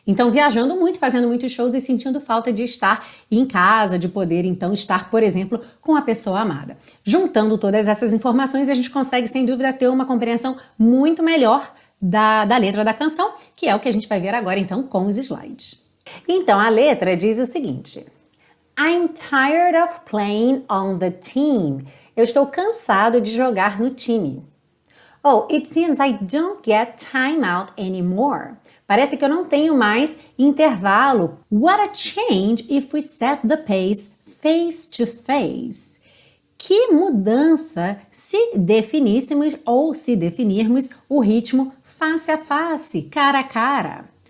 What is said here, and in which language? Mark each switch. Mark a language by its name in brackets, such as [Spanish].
[Portuguese] Então, viajando muito, fazendo muitos shows e sentindo falta de estar em casa, de poder então estar, por exemplo, com a pessoa amada. Juntando todas essas informações, a gente consegue, sem dúvida, ter uma compreensão muito melhor da letra da canção, que é o que a gente vai ver agora então com os slides. Então, a letra diz o seguinte. [English] I'm tired of playing on the team. [Portuguese] Eu estou cansado de jogar no time. [English] Oh, it seems I don't get time out anymore. [Portuguese] Parece que eu não tenho mais intervalo. [English] What a change if we set the pace face to face. [Portuguese] Que mudança se definíssemos ou se definirmos o ritmo face a face, cara a cara.